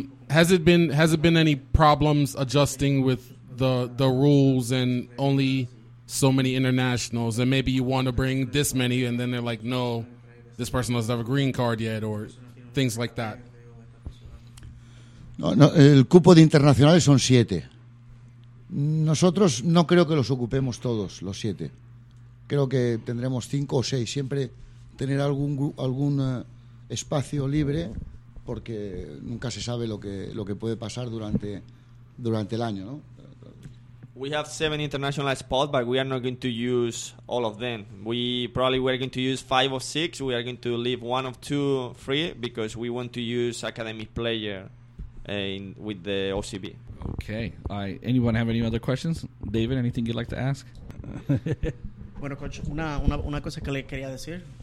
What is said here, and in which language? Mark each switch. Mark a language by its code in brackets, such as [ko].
[en] Has it been any problems adjusting with the rules and only so many internationals, and maybe you want to bring this many and then they're like, no, this person doesn't have a green card yet, or things like that? [es] No, el cupo de internacionales son 7. Nosotros no creo que los ocupemos todos, los 7. Creo que tendremos 5 o 6. Siempre tener algún espacio libre, porque nunca se sabe lo que puede pasar durante el año, ¿no? [en] We have 7 international spots, but we are not going to use all of them. We're going to use 5 or 6. We are going to leave 1 or 2 free because we want to use academy player with the OCB. Okay. Anyone have any other questions? David, anything you'd like to ask? [es] Bueno, coach, una cosa que le quería decir.